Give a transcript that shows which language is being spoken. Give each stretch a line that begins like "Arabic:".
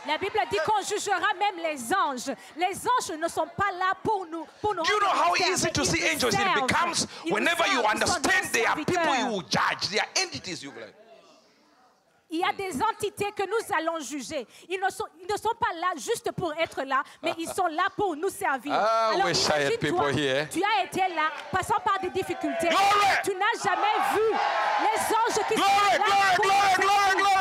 French: La Bible dit qu'on jugera même les anges. Les anges ne sont pas là pour nous. Pour nous.
English: Do you know how easy to see angels? It becomes whenever you understand they are people you will judge. They are entities you will judge.
French: Il y a des entités que nous allons juger. Ils ne sont pas là juste pour être là, mais ils sont là pour nous servir. Alors, imagine-toi, tu as été là, passant par des difficultés. Tu n'as jamais vu les anges qui sont là.